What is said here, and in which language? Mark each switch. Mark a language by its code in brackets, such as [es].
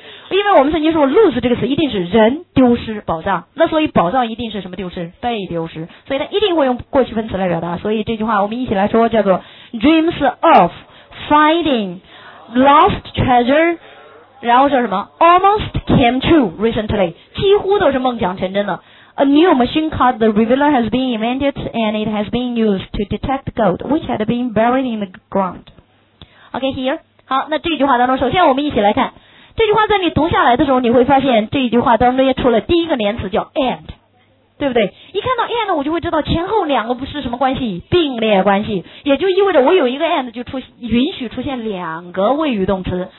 [zh] 因为我们曾经说 lose 这个词一定是人丢失宝藏，那所以宝藏一定是什么丢失？被丢失。所以它一定会用过去分词来表达。所以这句话我们一起来说，叫做 [en] dreams of finding lost treasure， [zh] 然后说什么 [en] almost came true recently， [zh] 几乎都是梦想成真的。 [en] A new machine called the Revealer has been invented and it has been used to detect gold which had been buried in the ground. OK here， [zh] 好，那这句话当中首先我们一起来看这句话，在你读下来的时候你会发现这句话当中也出了第一个连词叫 and， 对不对？一看到 and 我就会知道前后两个不是什么关系，并列关系，也就意味着我有一个 and 就允许出现两个谓语动词。